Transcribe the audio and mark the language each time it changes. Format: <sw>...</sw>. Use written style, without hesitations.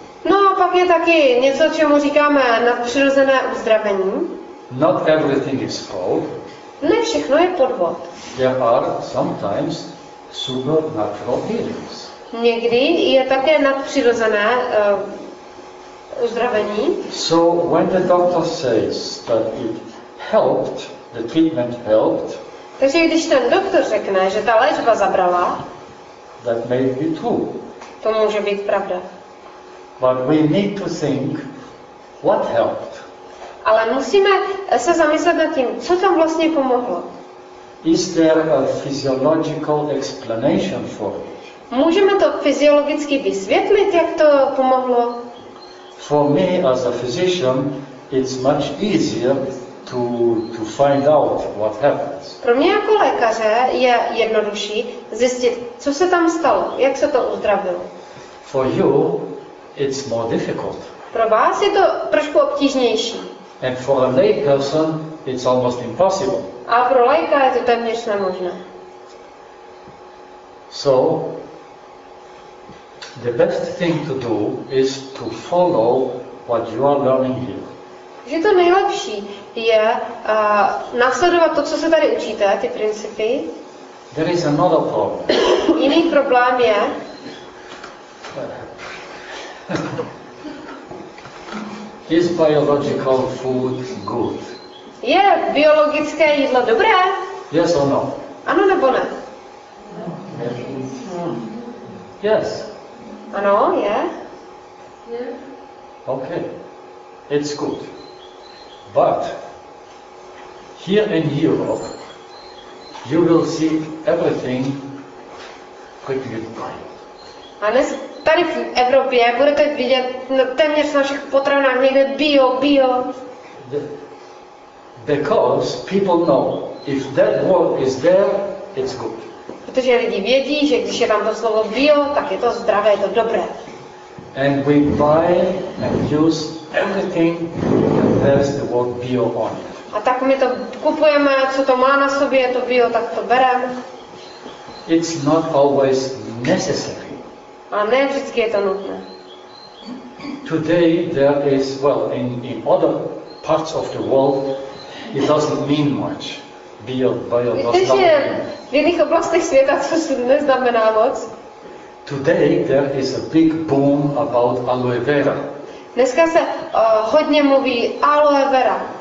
<cs>No a pak je taky něco, čemu říkáme nadpřirozené uzdravení.</cs> <en>Not everything is fault.</en> <cs>Ne všechno je podvod.</cs> <en>There are sometimes supernatural healings.</en> <cs>Někdy je také nadpřirozené uzdravení.</cs> <en>So when the doctor says that it helped, the treatment helped.</en> <cs>Takže když ten doktor řekne, že ta léčba zabrala,</cs> <en>that may be true.</en> <cs>To může být pravda.</cs> <en>But we need to think what helped.</en> <cs>Ale musíme se zamyslet nad tím, co tam vlastně pomohlo.</cs> <en>Is there a physiological explanation for it?</en> <cs>Můžeme to fyziologicky vysvětlit, jak to pomohlo?</cs> <en>For me as a physician, it's much easier to find out what happens.</en> <cs>Pro mě jako lékaře je jednodušší zjistit, co se tam stalo, jak se to uzdravilo.</cs> <en>For you, it's more difficult.</en> <cs>Pro vás je to trošku obtížnější.</cs> <en>And for a lay person, it's almost impossible.</en> <cs>A pro laika je to téměř nemožné.</cs> <en>So, the best thing to do is to follow what you are learning here.</en> <cs>Že to nejlepší je následovat to, co se tady učíte, ty principy.</cs> <en>There is another problem.</en> <cs>Jiný problém je.</cs> <en>Is biological food good?</en> <cs>Je biologické jídlo dobré?</cs> <en>Yes or no?</en> <cs>Ano nebo ne?</cs> <en>Yes.</en> <cs>Ano, je.</cs> <en>Yeah. Okay, it's good. But here in Europe, you will see everything quickly fine.</en> <cs>A dnes tady v Evropě budete vidět téměř na všech potravinách někde bio, bio.</cs> <en>Because people know if that word is there, it's good.</en> <cs>Protože lidi vědí, že když je tam to slovo bio, tak je to zdravé, je to dobré.</cs> <en>And we buy and use everything that has the word bio on it.</en> <cs>A tak my to kupujeme, co to má na sobě, je to bio, tak to bereme.</cs> <en>It's not always necessary.</en> <cs>A ne vždycky je to nutné.</cs> <en>Today there is, well, in other parts of the world, it doesn't mean much.</en> <cs>Bio víte, že v jiných oblastech světa to neznamená moc?</cs> <en>Today there is a big boom about aloe vera.</en> <cs>Dneska se hodně mluví aloe vera.</cs>